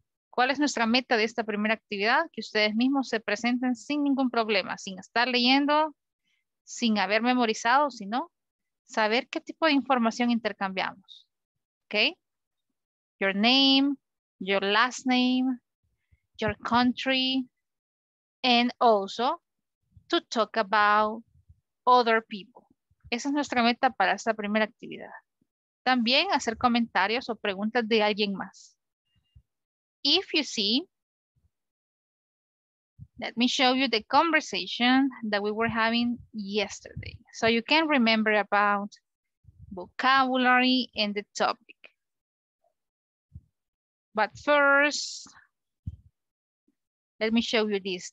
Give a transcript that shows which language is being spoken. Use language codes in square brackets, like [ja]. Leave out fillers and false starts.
[es] ¿Cuál es nuestra meta de esta primera actividad? Que ustedes mismos se presenten sin ningún problema, sin estar leyendo, sin haber memorizado, sino saber qué tipo de información intercambiamos. ¿Ok? [en] Your name, your last name, your country, and also to talk about other people. [es] Esa es nuestra meta para esta primera actividad. También hacer comentarios o preguntas de alguien más. [en] If you see, let me show you the conversation that we were having yesterday. So you can remember about vocabulary and the topic. But first, let me show you this.